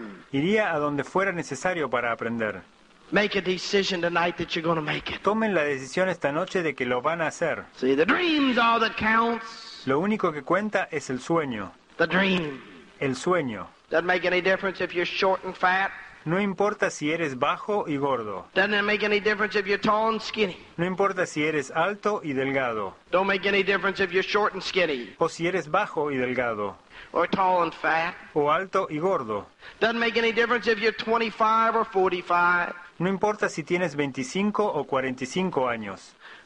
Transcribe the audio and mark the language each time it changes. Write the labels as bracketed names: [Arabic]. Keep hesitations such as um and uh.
[Spanish] Iría a donde fuera necesario para aprender. [English] Make a decision tonight that you're going to make it. [Spanish] Tomen la decisión esta noche de que lo van a hacer. [English] See, the dream's all that counts. [Spanish] Lo único que cuenta es el sueño. [English] The dream. [Spanish] El sueño. [English] Doesn't make any difference if you're short and fat. [Spanish] No importa si eres bajo y gordo. [English] Doesn't it make any difference if you're tall and skinny. [Spanish] No importa si eres alto y delgado. [English] Don't make any difference if you're short and skinny. [Spanish] O si eres bajo y delgado. [English] Or tall and fat. [Spanish] O alto y gordo. [English] Doesn't make any difference if you're 25 or 45. [Spanish] no importa si tienes 25 o 45 años.